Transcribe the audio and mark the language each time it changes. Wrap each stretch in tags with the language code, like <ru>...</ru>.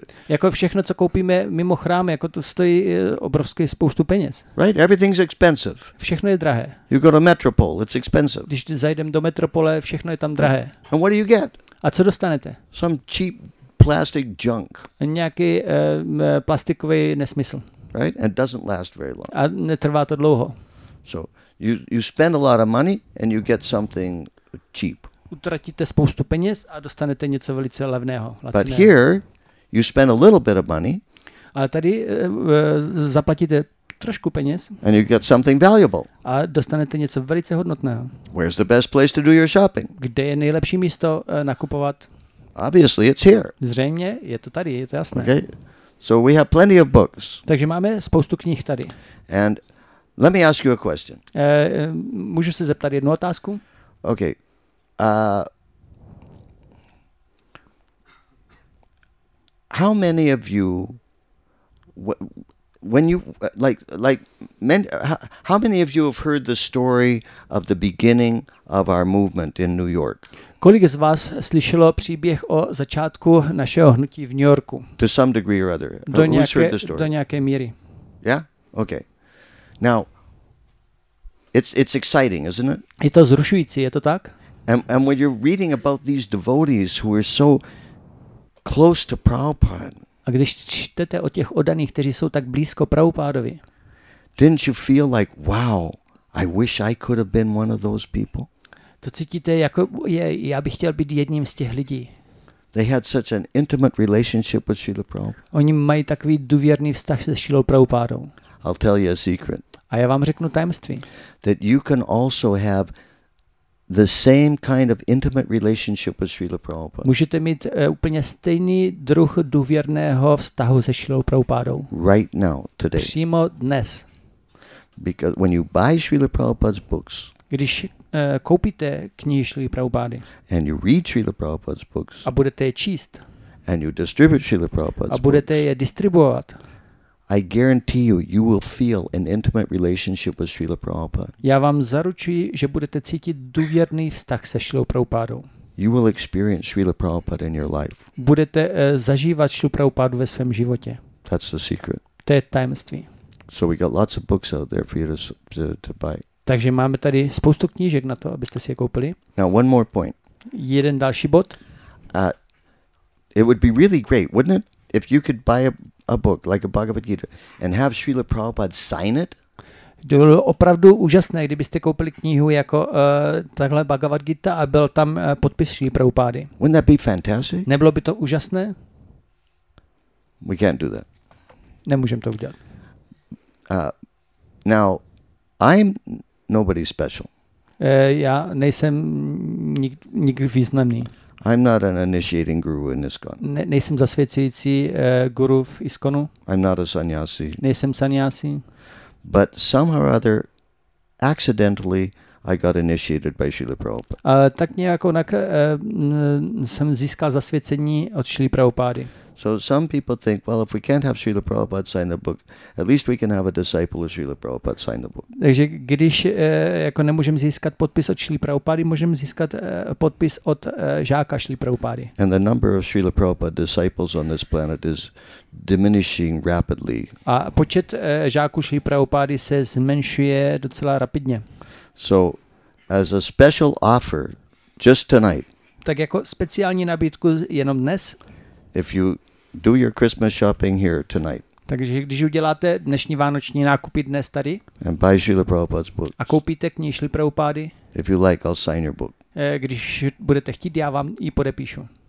<cs>Jako všechno, co koupíme mimo chrám, jako to stojí obrovské spoustu peněz.</cs> <en>Right, everything's expensive.</en> <cs>Všechno je drahé.</cs> <en>You go to metropole, it's expensive.</en> <cs>Když zajdem do metropole, všechno je tam drahé.</cs> <en>And what do you get?</en> <cs>A co dostanete?</cs> <en>Some cheap plastic junk.</en> <cs>Nějaký plastikový nesmysl.</cs> <en>Right? And it doesn't last very long.</en> <cs>A netrvá to dlouho.</cs> <en>So you spend a lot of money and you get something cheap.</en> <cs>Utratíte spoustu peněz a dostanete něco velice levného, laciného.</cs> <en>But here you spend a little bit of money.</en> <cs>Ale tady zaplatíte trošku peněz.</cs> <en>And you get something valuable.</en> <cs>A dostanete něco velice hodnotného.</cs> <en>Where's the best place to do your shopping?</en> <cs>Kde je nejlepší místo nakupovat?</cs> <en>Obviously, it's here.</en> <cs>Zřejmě je to tady, je to jasné.</cs> <en>Okay. So we have plenty of books.</en> <cs>Takže máme spoustu knih tady.</cs> <en>And let me ask you a question.</en> <cs>Můžu se zeptat jednu otázku?</cs> <en>Okay. How many of you how many of you have heard the story of the beginning of our movement in New York?</en> <cs>Kolik z vás slyšelo příběh o začátku našeho hnutí v New Yorku?</cs> <en>To some degree or other. Who's heard the story?</en> <cs>Do nějaké míry.</cs> <en>Yeah? Okay. Now, it's exciting, isn't it?</en> <cs>Je to vzrušující, je to tak?</cs> <en>And when you're reading about these devotees who are so close to Prabhupada,</en> <cs>a když čtete o těch oddaných, kteří jsou tak blízko Prabhupádovi,</cs> <en>didn't you feel like, wow, I wish I could have been one of those people?</en> <cs>To cítíte jako, já bych chtěl být jedním z těch lidí.</cs> <en>They had such an intimate relationship with Srila Prabhupada.</en> <cs>Oni mají takový důvěrný vztah se Srilou Prabhupádou.</cs> <en>I'll tell you a secret.</en> <cs>A já vám řeknu tajemství.</cs> <en>That you can also have the same kind of intimate relationship with Srila Prabhupada.</en> <cs>Můžete mít úplně stejný druh důvěrného vztahu se Srilou Prabhupádou.</cs> <en>Right now, today.</en> <cs>Přímo dnes.</cs> <en>Because when you buy Srila Prabhupada's books,</en> <cs>když koupíte knihy Srila Prabhupády,</cs> <en>and you read Srila Prabhupada's books,</en> <cs>a budete je číst,</cs> <en>and you distribute Srila Prabhupada's</en> <cs>books, a budete je distribuovat,</cs> <en>I guarantee you will feel an intimate relationship with Srila Prabhupada.</en> <cs>Já vám zaručuji, že budete cítit důvěrný vztah se Srilou Prabhupádou.</cs> <en>You will experience Srila Prabhupada in your life.</en> <cs>Budete zažívat Srilu Prabhupádu ve svém životě.</cs> <en>That's the secret.</en> <cs>To je tajemství.</cs> <en>So we got lots of books out there for you to buy.</en> <cs>Takže máme tady spoustu knížek na to, abyste si je koupili.</cs> <en>Now one more point.</en> <cs>Jeden další bod.</cs> <en>It would be really great, wouldn't it, if you could buy a book like a Bhagavad Gita and have Srila Prabhupada sign it?</en> <cs>To bylo opravdu úžasné, kdybyste koupili knihu jako takhle Bhagavad Gita a byl tam podpis Srila Prabhupády.</cs> <en>Wouldn't that be fantastic?</en> <cs>Nebylo by to úžasné?</cs> <en>We can't do that.</en> <cs>Nemůžem to udělat.</cs> <en>Now I'm nobody special.</en> <cs>Já nejsem nikdy významný.</cs> <en>I'm not an initiating guru in ISKCON.</en> <cs>Nejsem zasvěcující guru v ISKCONu.</cs> <en>I'm not a sannyasi.</en> <cs>Nejsem sannyasi.</cs> <en>But somehow or other, accidentally, I got initiated by Srila Prabhupada.</en> <cs>Ale tak nějak onak jsem získal zasvěcení od Srila Prabhupády.</cs> <en>So some people think, well, if we can't have Srila Prabhupada sign the book, at least we can have a disciple of Srila Prabhupada sign the book.</en> <cs>Takže když jako nemůžeme získat podpis od Srila Prabhupády, můžeme získat podpis od žáka Srila Prabhupády.</cs> <en>And the number of Srila Prabhupada disciples on this planet is diminishing rapidly.</en> <cs>A počet žáků Srila Prabhupády se zmenšuje docela rapidně.</cs> <en>So as a special offer just tonight.</en> <cs>Tak jako speciální nabídku jenom dnes.</cs> <en>If you do your Christmas shopping here tonight.</en> <cs>Takže když uděláte dnešní vánoční nákupy dnes tady.</cs> <en>And buy Srila Prabhupada's books.</en> <cs>A koupíte knihy Srila Prabhupády.</cs> <en>If you like, I'll sign your book.</en> <cs>Když budete chtít, já vám ji podepíšu.</cs>